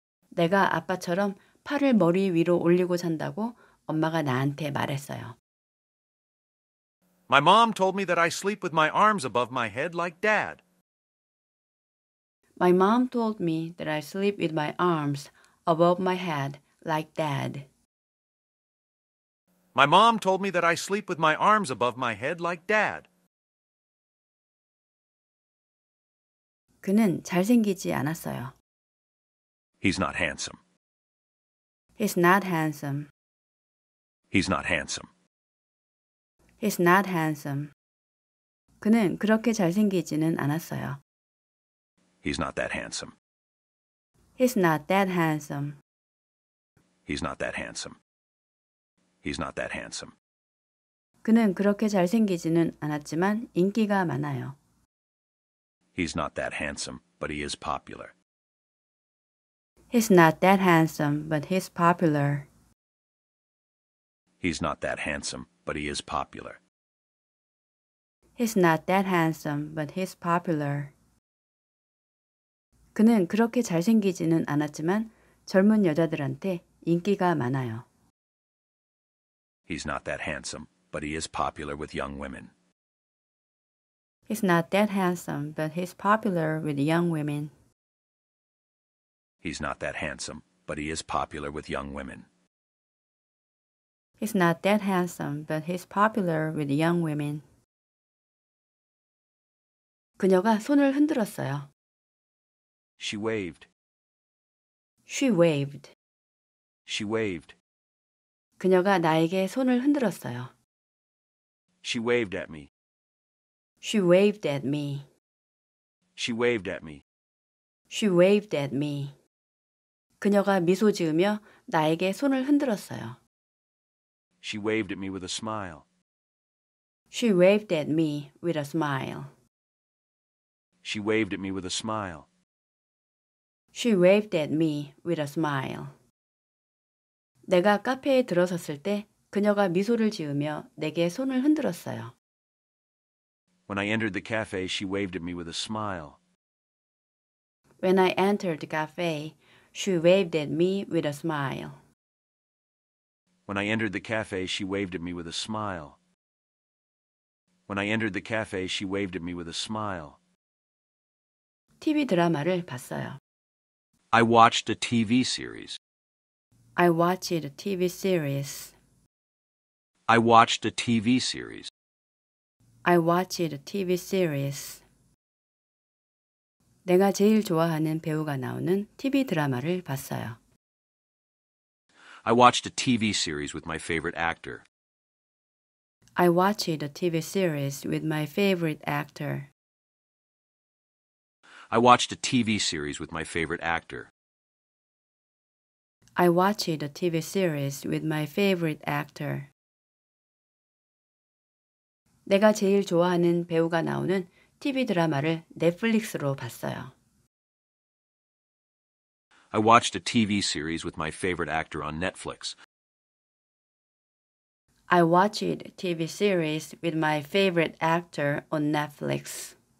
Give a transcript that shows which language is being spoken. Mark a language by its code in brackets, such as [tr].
[ko] 내가 아빠처럼 팔을 머리 위로 올리고 잔다고 엄마가 나한테 말했어요. [en] My mom told me that I sleep with my arms above my head like dad. My mom told me that I sleep with my arms above my head like dad. My mom told me that I sleep with my arms above my head like dad. [ko] 그는 잘생기지 않았어요. [en] He's not handsome. He's not handsome. He's not handsome. He's not handsome. [ko] 그는 그렇게 잘생기지는 않았어요. [en] He's not that handsome. He's not that handsome. He's not that handsome. He's not that handsome. [ko] 그는 그렇게 잘생기지는 않았지만 인기가 많아요. [en] He's not that handsome, but he is popular. He's not that handsome, but he's popular. He's not that handsome, but he is popular. He's not that handsome, but he's popular. [ko] 그는 그렇게 잘생기지는 않았지만 젊은 여자들한테 인기가 많아요. [en] He's not that handsome, but he is popular with young women. He's not that handsome, but he's popular with young women. He's not that handsome, but he is popular with young women. He's not that handsome, but he's popular with young women. [ko] 그녀가 손을 흔들었어요. [en] She waved. She waved. She waved. [ko] 그녀가 나에게 손을 흔들었어요. [en] She waved at me. She waved at me. She waved at me. She waved at me. [ko] 그녀가 미소 지으며 나에게 손을 흔들었어요. [en] She waved at me with a smile. She waved at me with a smile. She waved at me with a smile. She waved at me with a smile. [ko] 내가 카페에 들어섰을 때 그녀가 미소를 지으며 내게 손을 흔들었어요. [en] When I entered the cafe, she waved at me with a smile. When I entered the cafe, she waved at me with a smile. When I entered the cafe, she waved at me with a smile. When I entered the cafe, she waved at me with a smile. [ko] TV 드라마를 봤어요. [en] I watched a TV series. I watched a TV series. I watched a TV series. I watched a TV series. [ko] 내가 제일 좋아하는 배우가 나오는 TV 드라마를 봤어요. [en] I watched a TV series with my favorite actor. I watched a TV series with my favorite actor. I watched a TV series with my favorite actor. I watched a TV series with my favorite actor. [ko] 내가 제일 좋아하는 배우가 나오는 TV 드라마를 넷플릭스로 봤어요. [en] I watched a TV series with my favorite actor on Netflix. I watched a TV series with my favorite actor on Netflix.